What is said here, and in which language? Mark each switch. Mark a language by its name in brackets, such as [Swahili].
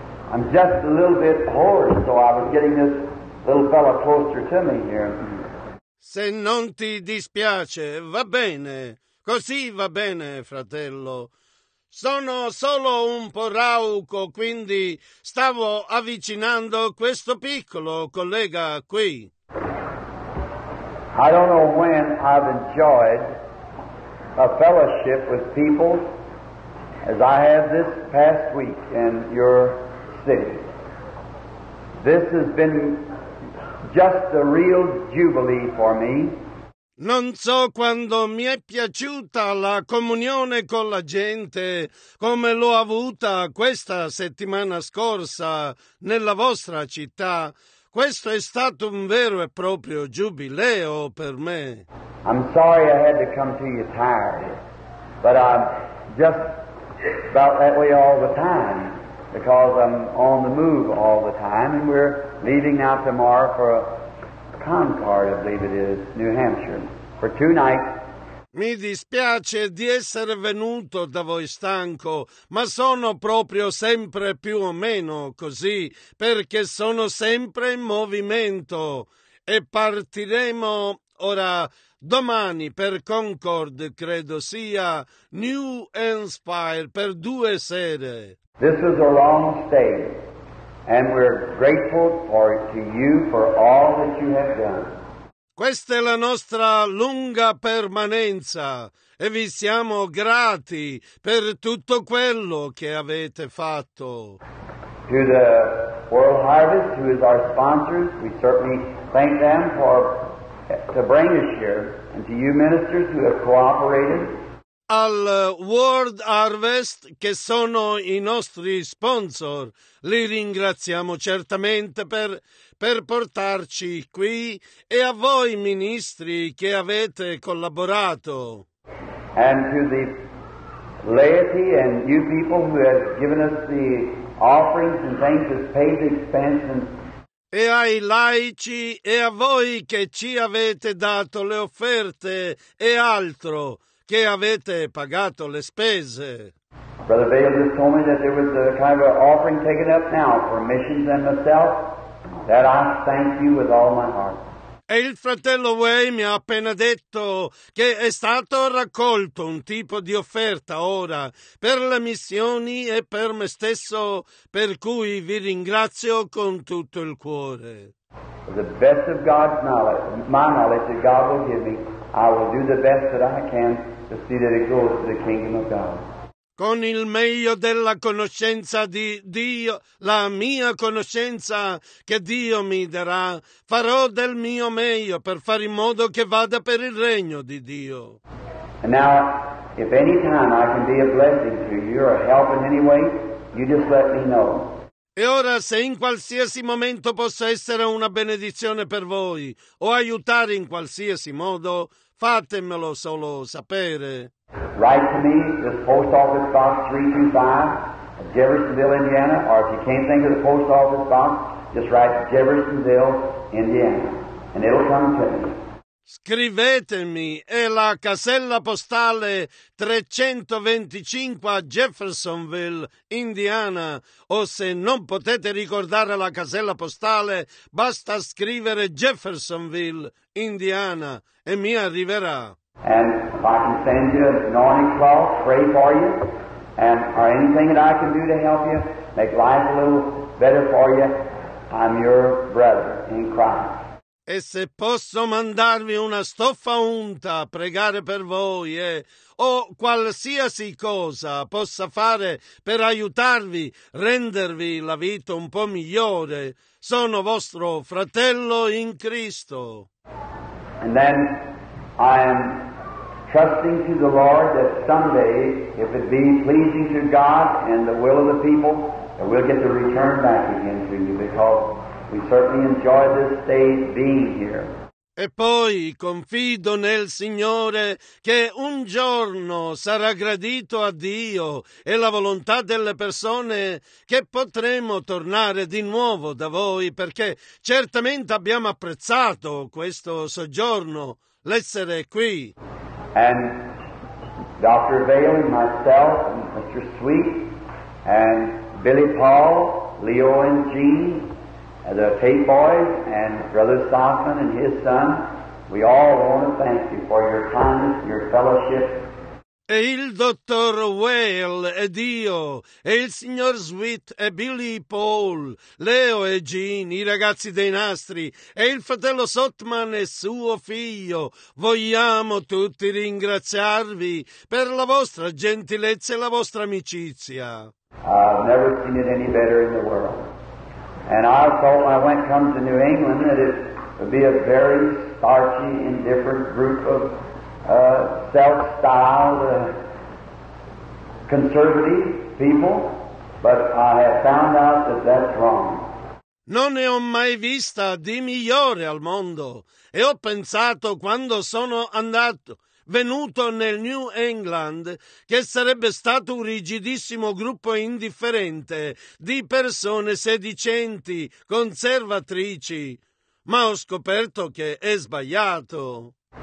[English] I'm just a little bit hoarse, so I was getting this little fellow closer to me here. [Italian] Se non ti dispiace, va bene. Così va bene, fratello. Sono solo un po' rauco, quindi stavo avvicinando questo piccolo collega qui. [English] I don't know when I've enjoyed a fellowship with people as I have this past week in your city. This has been just a real jubilee for me. [Italian] Non so quando mi è piaciuta la comunione con la gente come l'ho avuta questa settimana scorsa nella vostra città. Questo è stato un vero e proprio giubileo per me. [English] I'm sorry I had to come to you tired, but I'm just about that way all the time, because I'm on the move all the time, and we're leaving now tomorrow for Concord, I believe it is, New Hampshire, for two nights. [Italian] Mi dispiace di essere venuto da voi stanco, ma sono proprio sempre più o meno così, perché sono sempre in movimento. E partiremo ora, domani, per Concord, credo sia, New Inspire, per due sere. [English] This is a long stay, and we're grateful for to you for all that you have done. [Italian] Questa è la nostra lunga permanenza e vi siamo grati per tutto quello che avete fatto. [English] To the World Harvest, who is our sponsors, we certainly thank them for to bring us here, and to you ministers who have cooperated. [Italian] Al World Harvest, che sono i nostri sponsor, li ringraziamo certamente per portarci qui, e a voi ministri che avete collaborato. [English] And to the laity and you people who have given us the offerings and things to pay the expense and... [Italian] E ai laici e a voi che ci avete dato le offerte e altro, che avete pagato le spese. [English] Brother Bale just told me that there was a kind of an offering taken up now for missions and myself. That I thank you with all my heart. [Italian] E il fratello Way mi ha appena detto che è stato raccolto un tipo di offerta ora per le missioni e per me stesso, per cui vi ringrazio con tutto il cuore. [English] The best of God's knowledge, my knowledge that God will give me, I will do the best that I can to see that it goes to the kingdom of God. [Italian] Con il meglio della conoscenza di Dio, la mia conoscenza che Dio mi darà, farò del mio meglio per fare in modo che vada per il regno di Dio. [English] And now, if any time I can be a blessing to you or help in any way, you just let me know. [Italian] E ora, se in qualsiasi momento posso essere una benedizione per voi o aiutare in qualsiasi modo, fatemelo solo sapere. [English] Write to me, this post office box 325, Jeffersonville, Indiana, or if you can't think of the post office box, just write Jeffersonville, Indiana, and it'll come to me. [Italian] Scrivetemi, è la casella postale 325 Jeffersonville, Indiana, o se non potete ricordare la casella postale, basta scrivere Jeffersonville, Indiana, e mi arriverà. [English] And if I can send you an anointing cloth, pray for you, and or anything that I can do to help you, make life a little better for you, I'm your brother in Christ. [Italian] E se posso mandarvi una stoffa unta a pregare per voi, o qualsiasi cosa possa fare per aiutarvi, rendervi la vita un po' migliore, sono vostro fratello in Cristo. [English] And then I am trusting to the Lord that someday, if it be pleasing to God and the will of the people, that we'll get to return back again to you, because we certainly enjoy this day being here. [Italian] E poi confido nel Signore che un giorno sarà gradito a Dio e la volontà delle persone che potremo tornare di nuovo da voi, perché certamente abbiamo apprezzato questo soggiorno, l'essere qui. [English] And Dr. Bailey, myself, Mr. Sweet, and Billy Paul, Leo and Jean, the Tate boys, and Brother Stockman and his son, we all want to thank you for your kindness, your fellowship. [Italian] E il dottor Whale ed io, e il signor Sweet e Billy Paul, Leo e Jean, i ragazzi dei nastri, e il fratello Sotman e suo figlio, vogliamo tutti ringraziarvi per la vostra gentilezza e la vostra amicizia. [English] I've never seen it any better in the world. And I thought when I went come to New England that it would be a very starchy, indifferent group of self-styled conservative people, but I have found out that that's wrong. [Italian] Non ne ho mai vista di migliore al mondo, e ho pensato quando sono venuto nel New England che sarebbe stato un rigidissimo gruppo indifferente di persone sedicenti, conservatrici, ma ho scoperto che è sbagliato.